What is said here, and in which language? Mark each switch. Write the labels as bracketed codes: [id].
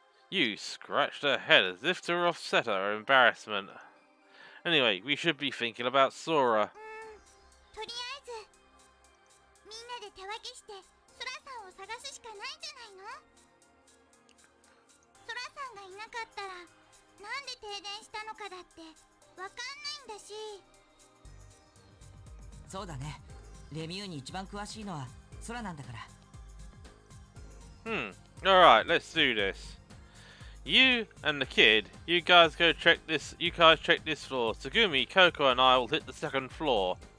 [en] You scratched her head as if to offset her embarrassment. Anyway, we should be thinking about Sora. [ja] とりあえず、みんなで手分けして、空さんを探すしかないんじゃないの? さんがいなかったらなんで停電したのかだってわかんないんだし。そうだね、レミューに一番詳しいのはソラなんだから。 [en] Alright, let's do this. You and the kid, you guys check this floor. Tsugumi, Koko and I will hit the second floor.